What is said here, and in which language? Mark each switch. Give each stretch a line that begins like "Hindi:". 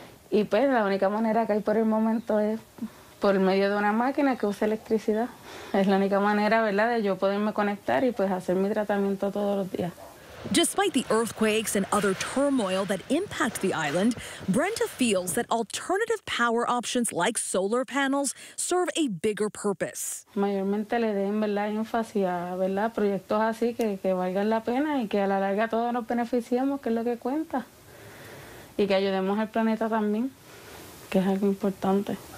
Spanish: Y pues la única manera que hay por el momento es por medio de una máquina que usa electricidad. Es la única manera, ¿verdad?, de yo poderme conectar y pues hacer mi tratamiento todos los días.
English: Despite the earthquakes and other turmoil that impact the island, Brenda feels that alternative power options like solar panels serve a bigger purpose.
Spanish: Mayormente le den, ¿verdad?, énfasis a, ¿verdad?, proyectos así que valgan la pena y que a la larga todos nos beneficiemos, que es lo que cuenta. Y que ayudemos al planeta también, que es algo importante.